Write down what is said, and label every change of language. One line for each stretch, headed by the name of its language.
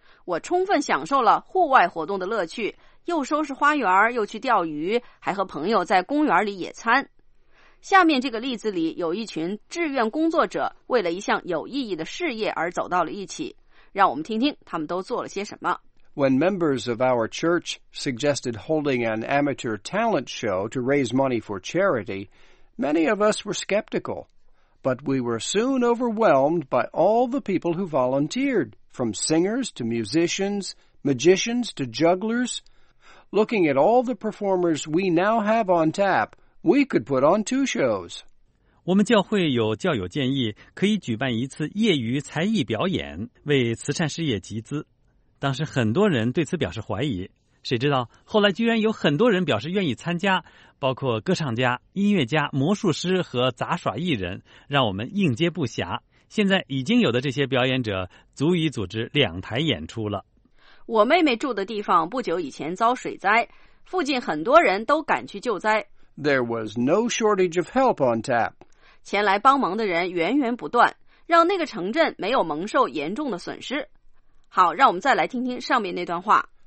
Chinese: 我充分享受了户外活动的乐趣，又收拾花园，又去钓鱼，还和朋友在公园里野餐。下面这个例子里有一群志愿工作者为了一项有意义的事业而走到了一起。让我们听听他们都做了些什么。
English: When members of our church suggested holding an amateur talent show to raise money for charity,Many of us were skeptical, but we were soon overwhelmed by all the people who volunteered, from singers to musicians, magicians to jugglers. Looking at all the performers we now have on tap, we could put on two shows.
Chinese: 我们教会有教友建议可以举办一次业余才艺表演，为慈善事业集资。当时很多人对此表示怀疑。谁知道后来居然有很多人表示愿意参加，包括歌唱家、音乐家、魔术师和杂耍艺人，让我们应接不暇。现在已经有的这些表演者足以组织两台演出了。我妹妹住的地方不久以前遭水灾，附近很多人都赶去救灾。
English: There was no shortage of help on tap.
Chinese: 前来帮忙的人源源不断，让那个城镇没有蒙受严重的损失。好，让我们再来听听上面那段话。